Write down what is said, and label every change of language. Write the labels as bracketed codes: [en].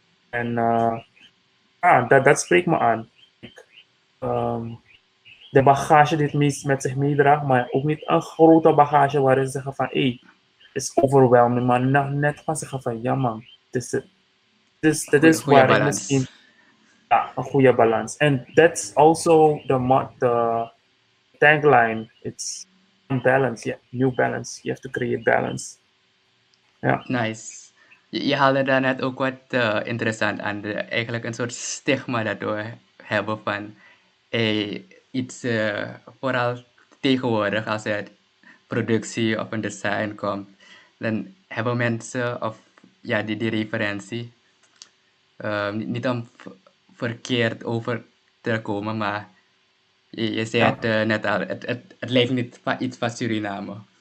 [nl] En dat spreekt me aan. De bagage die het met zich meedraagt, maar ook niet een grote bagage waarin ze zeggen van, hey, is overwhelming, maar net van zeggen van, ja man, dit is waar ik misschien, ja, een goede balans. [en] En that's also the tagline, it's balance, yeah, new balance, you have to create balance. [nl] Ja. Nice. Je haalde daarnet ook wat interessant aan, eigenlijk een soort stigma dat we hebben van, hey, iets vooral tegenwoordig als het productie of een design komt, dan hebben mensen of ja, die referentie niet om verkeerd over te komen, maar je zei het net al, het leeft niet van iets van Suriname.